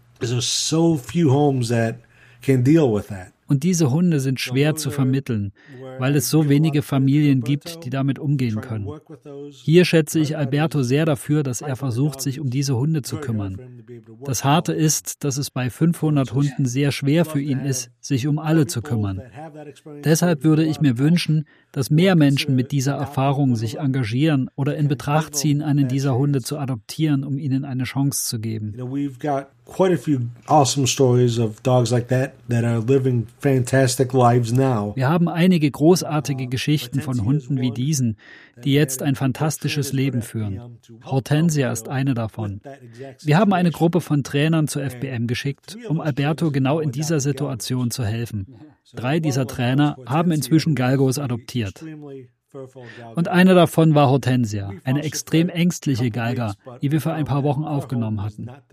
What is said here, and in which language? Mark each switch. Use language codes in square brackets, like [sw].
[en] So few homes that can deal with that. [de] Und diese Hunde sind schwer zu vermitteln, weil es so wenige Familien gibt, die damit umgehen können. Hier schätze ich Alberto sehr dafür, dass er versucht, sich um diese Hunde zu kümmern. Das Harte ist, dass es bei 500 Hunden sehr schwer für ihn ist, sich um alle zu kümmern. Deshalb würde ich mir wünschen, dass mehr Menschen mit dieser Erfahrung sich engagieren oder in Betracht ziehen, einen dieser Hunde zu adoptieren, um ihnen eine Chance zu geben. [en] Quite a few awesome stories of dogs like that that are living fantastic lives now. [de] Wir haben einige großartige Geschichten von Hunden wie diesen, die jetzt ein fantastisches Leben führen. Hortensia ist eine davon. Wir haben eine Gruppe von Trainern zu FBM geschickt, um Alberto genau in dieser Situation zu helfen. Drei dieser Trainer haben inzwischen Galgos adoptiert. Und einer davon war Hortensia, eine extrem ängstliche Galga, die wir für ein paar Wochen aufgenommen hatten.